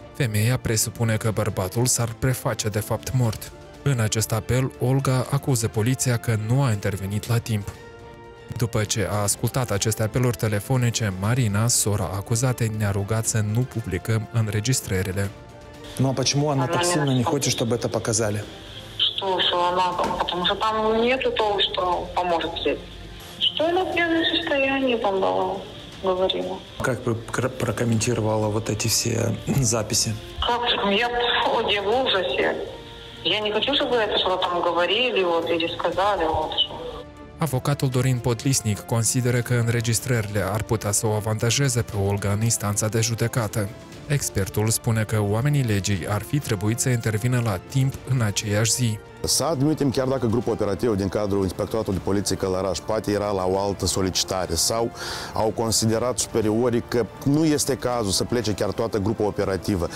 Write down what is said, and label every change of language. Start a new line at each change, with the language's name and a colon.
Romanian: Femeia presupune că bărbatul s-ar preface de fapt mort. În acest apel, Olga acuză poliția că nu a intervenit la timp. După ce a ascultat aceste apeluri telefonice, Marina, sora acuzatei, ne-a rugat să nu publicăm înregistrările.
Russian: Ну а почему она так сильно не хочет, чтобы это показали? Что, что она, потому что там нету того, что поможет ей. Что она в пьяном состоянии там говорила? Как бы прокомментировала вот эти все записи? Как? Я в ужасе. Я не хочу, чтобы это что-то там говорили вот, или сказали. Вот.
Romanian: Avocatul Dorin Podlisnic consideră că înregistrările ar putea să o avantajeze pe Olga în instanța de judecată. Expertul spune că oamenii legii ar fi trebuit să intervină la timp în aceeași zi. Să admitem, chiar dacă grupul operativ din cadrul Inspectoratului de Poliție Călăraș poate era la o altă solicitare sau au considerat superiorii că nu este cazul să plece chiar toată grupa operativă.